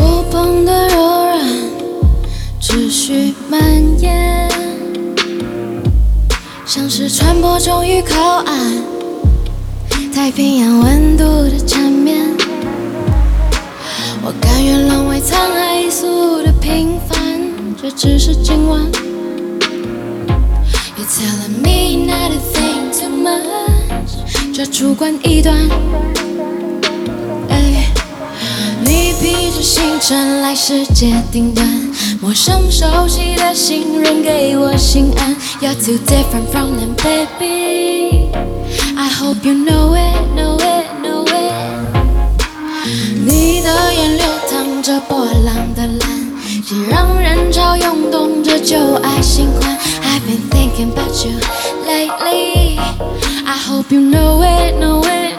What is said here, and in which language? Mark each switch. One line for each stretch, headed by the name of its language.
Chinese: 风的柔软持续蔓延，像是船舶终于靠岸，太平洋温度的缠绵，我甘愿沦为沧海一粟的平凡，这只是今晚。
English: You're telling me not a thing too much，
Chinese: 这主观臆断。你披着星辰来世界顶端，陌生熟悉的信任给我心安。
English: You're too different from them, baby. I hope you know it, know it, know it.
Chinese: 你的眼流淌着波浪的蓝，熙攘人潮涌动着旧爱新欢。
English: I've been thinking about you lately. I hope you know it, know it.